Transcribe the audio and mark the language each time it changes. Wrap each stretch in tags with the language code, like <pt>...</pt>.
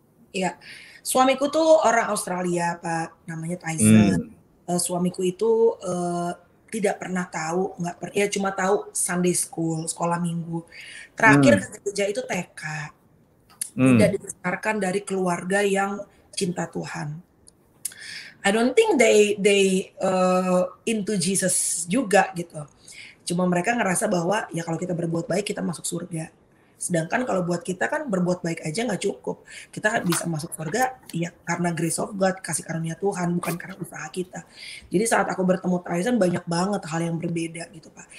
<id>Iya. Suamiku tuh orang Australia, Pak, namanya Tyson. Suamiku itu tidak pernah tahu, nggak pernah, ya cuma tahu Sunday school, sekolah minggu. Terakhir kerja itu TK. Tidak dibesarkan dari keluarga yang cinta Tuhan.</id> <en>I don't think they into Jesus</en> <id>juga gitu. Cuma mereka ngerasa bahwa ya kalau kita berbuat baik kita masuk surga. Sedangkan kalau buat kita kan berbuat baik aja gak cukup. Kita bisa masuk surga ya karena</id> <en>grace of God,</en> <id>kasih karunia Tuhan, bukan karena usaha kita. Jadi saat aku bertemu Tyson banyak banget hal yang berbeda gitu, Pak.</id>